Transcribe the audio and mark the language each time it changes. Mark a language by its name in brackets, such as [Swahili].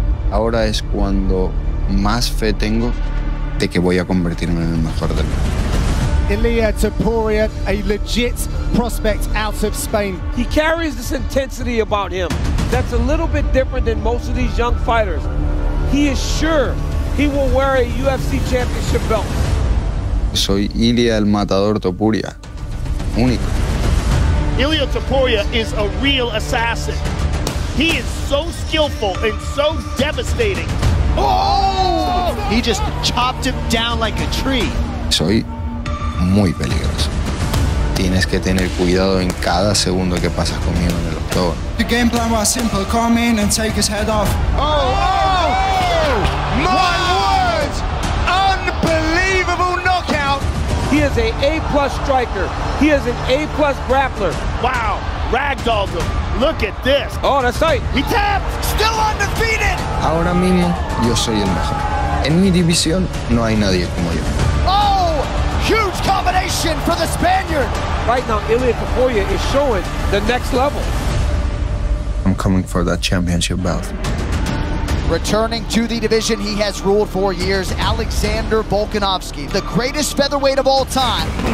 [Spanish] Ahora es cuando más fe tengo de que voy a convertirme en el mejor del mundo. [English] Ilia Topuria, a legit prospect out of Spain. He carries this intensity about him that's a little bit different than most of these young fighters. He is sure he will wear a UFC championship belt. [Spanish] Soy Ilia el Matador Topuria, único. [English] Ilia Topuria is a real assassin. He is so skillful and so devastating. Oh! He just chopped him down like a tree. [Spanish] Soy muy peligroso. Tienes que tener cuidado en cada segundo que pasas conmigo en el octógono. [English] The game plan was simple. Come in and take his head off. Oh! Oh! My words! Unbelievable knockout! He is an A-plus striker. He is an A-plus grappler. Wow! Ragdolled him. Look at this. Oh, that's tight. He tapped! Still undefeated! [Spanish] Ahora mismo, yo soy el mejor. En mi división, no hay nadie como yo. [English] Huge combination for the Spaniard. Right now, Ilia Topuria is showing the next level. I'm coming for that championship belt. Returning to the division he has ruled for years, Alexander Volkanovski, the greatest featherweight of all time.